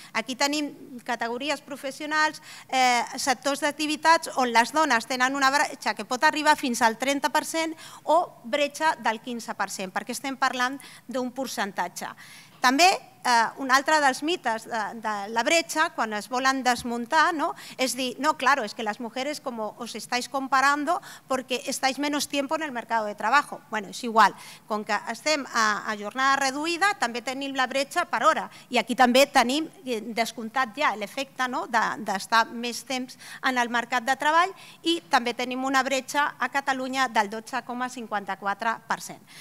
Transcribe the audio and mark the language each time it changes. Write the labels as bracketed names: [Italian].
[Catalan] Aquí tenim categories professionals, sectors d'activitats on les dones tenen una bretxa que pot arribar fins al 30% o bretxa del 15%, perquè estem parlant d'un percentatge. També un altre dels mites de la bretxa, quan es volen desmuntar, no? És dir, [Spanish] no, claro, es que las mujeres como os estáis comparando porque estáis menos tiempo en el mercado de trabajo. [Catalan] Bueno, és igual, com que estem a jornada reduïda, també tenim la bretxa per hora i aquí també tenim descomptat ja l'efecte, no? d'estar més temps en el mercat de treball i també tenim una bretxa a Catalunya del 12,54%.